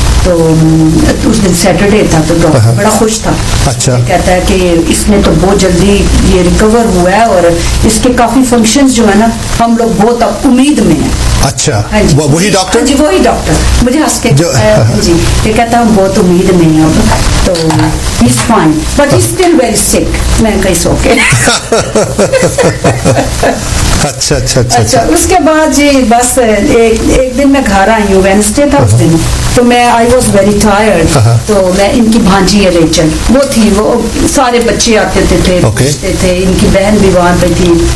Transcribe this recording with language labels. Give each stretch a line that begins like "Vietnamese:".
Hindi: तो उस दिन सैटरडे था तो डॉक्टर बड़ा खुश था. अच्छा. कहता है कि इसने तो बहुत जल्दी ये रिकवर हुआ है और इसके काफी फंक्शन जो है ना, हम लोग बहुत उम्मीद में है. अच्छा, वही डॉक्टर जी, वही डॉक्टर मुझे हंस के जी ये कहता हूँ बहुत उम्मीद में है अब तो.
English: He's fine, but he's still very sick.
Hindi: मैं कहीं सोके. अच्छा. उसके बाद जी बस एक दिन मैं घर आई हूँ, वेंसडे था उस दिन. तो मैं
English: I was very tired.
Hindi: तो मैं इनकी भांजी है रेचल, वो थी, वो सारे बच्चे आते थे पूछते थे, इनकी बहन भी वहां पे थी.